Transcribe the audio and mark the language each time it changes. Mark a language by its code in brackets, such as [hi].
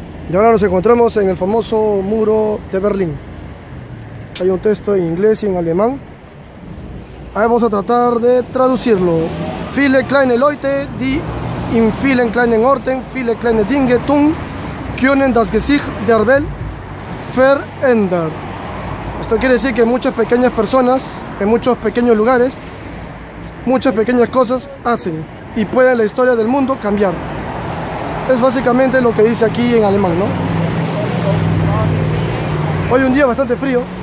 [es] Y ahora nos encontramos en el famoso muro de Berlín. Hay un texto en inglés y en alemán. Ahora vamos a tratar de traducirlo. [de] Viele kleine Leute, die in vielen kleinen Orten viele kleine Dinge tun, können das Gesicht der Welt verändern. [es] Esto quiere decir que muchas pequeñas personas, en muchos pequeños lugares, muchas pequeñas cosas hacen y pueden la historia del mundo cambiar. Es básicamente lo que dice aquí en alemán, ¿no? Hoy un día bastante frío.